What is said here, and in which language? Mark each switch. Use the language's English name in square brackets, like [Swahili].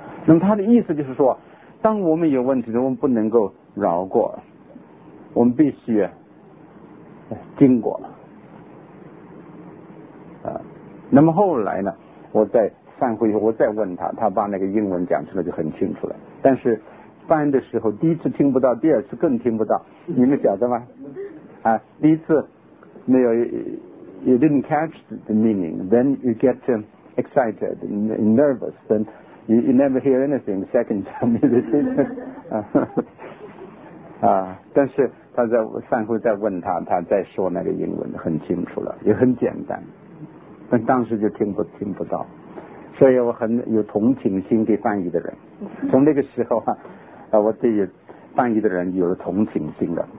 [Chinese] 那么他的意思就是说，当我们有问题的，我们不能够绕过，我们必须经过啊。那么后来呢，我在散会以后我再问他，他把那个英文讲出来就很清楚了，但是翻的时候第一次听不到，第二次更听不到，你们晓得吗？啊，第一次没有 [English] you didn't catch the meaning, then you get excited and nervous, then you never hear anything the second time you listen. [Chinese] 但是他在散会再问他，他再说那个英文很清楚了，也很简单，但当时就听不到。所以我很有同情心给翻译的人，从那个时候我对于翻译的人有了同情心的。